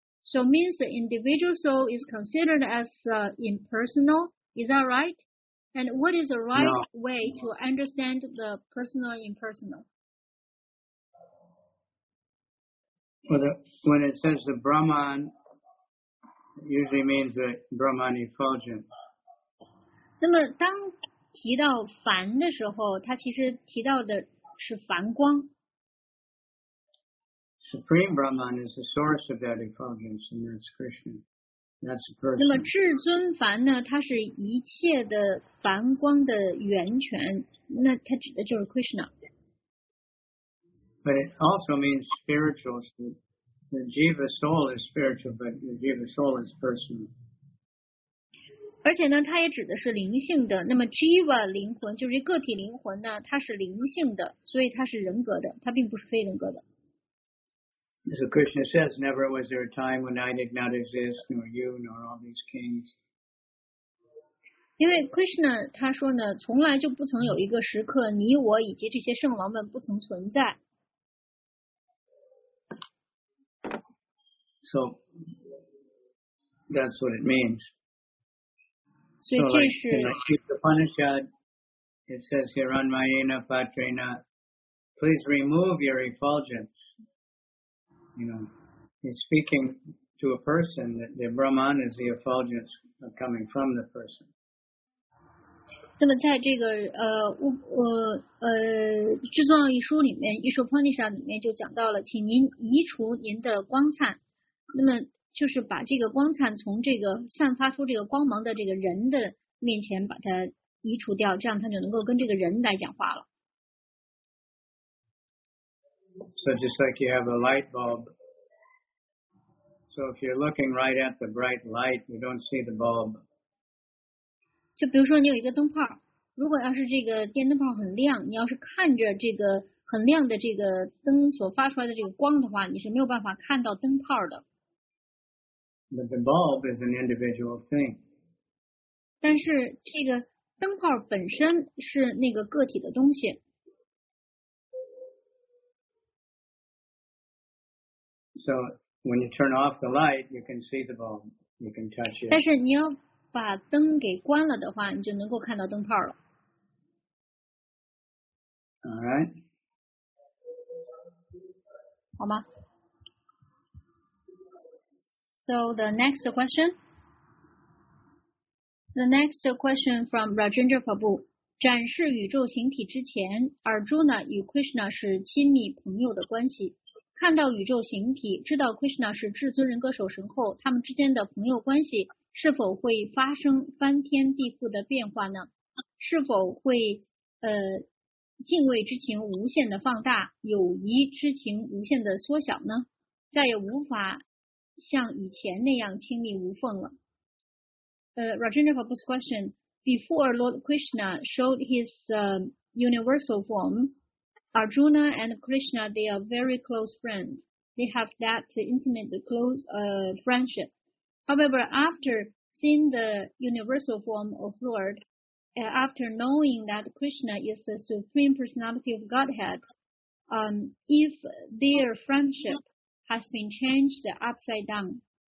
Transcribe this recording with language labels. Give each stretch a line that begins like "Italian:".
English: So means the individual soul is considered as impersonal. Is that right? And what is the right way to understand the personal and impersonal? When it says the Brahman, it usually means the Brahman effulgent.
Chinese: 那么当提到梵的时候，它其实提到的是梵光。
English: Supreme Brahman is the source of that effulgence, and that's Krishna. That's the person.
Chinese: 那么至尊梵呢？它是一切的梵光的源泉，那它指的就是 Krishna。
English: But it also means spiritual. The jiva soul is spiritual, but the jiva soul is personal.
Chinese: 而且呢，它也指的是灵性的。那么 jiva 灵魂就是个体灵魂呢，它是灵性的，所以它是人格的，它并不是非人格的。
English: So Krishna says, "Never was there a time when I did not exist, nor you, nor all these kings."
Chinese: 因为 Krishna 他说呢，从来就不曾有一个时刻，你我以及这些圣王们不曾存在。
English: So that's what it means. So, in the Upanishad, it says, "Hiranmayena Patrena, please remove your effulgence." You know, he's speaking to a person that the Brahman is the effulgence coming from the person.
Chinese: 那么在这个至尊奥义书里面，《一说 Upanishad 里面就讲到了，请您移除您的光灿。那么就是把这个光灿从这个散发出这个光芒的这个人的面前把它移除掉，这样他就能够跟这个人来讲话了。
English: So just like you have a light bulb, so if you're looking right at the bright light, you don't see the bulb.
Chinese: 就比如说你有一个灯泡，如果要是这个电灯泡很亮，你要是看着这个很亮的这个灯所发出来的这个光的话，你是没有办法看到灯泡的。
English: But the bulb is an individual thing.
Chinese: 但是这个灯泡本身是那个个体的东西。
English: So when you turn off the light, you can see the bulb. You can touch it.
Chinese: 但是你要把灯给关了的话，你就能够看到灯泡了。
English: All right.
Chinese: 好吗？
English: So the next question. The next question from Rajendra Prabhu.
Chinese: 展示宇宙形体之前， Arjuna 与 Krishna 是亲密朋友的关系。看到宇宙形体，知道 Krishna 是至尊人格首神后，他们之间的朋友关系是否会发生翻天地覆的变化呢？是否会敬畏之情无限的放大，友谊之情无限的缩小呢？再也无法像以前那样亲密无缝了。
English: Rajendra Prabhu's question, before Lord Krishna showed his universal form, Arjuna and Krishna, they are very close friends. They have that intimate close friendship. However, after seeing the universal form of Lord, after knowing that Krishna is the Supreme Personality of Godhead, if their friendship has been changed upside down.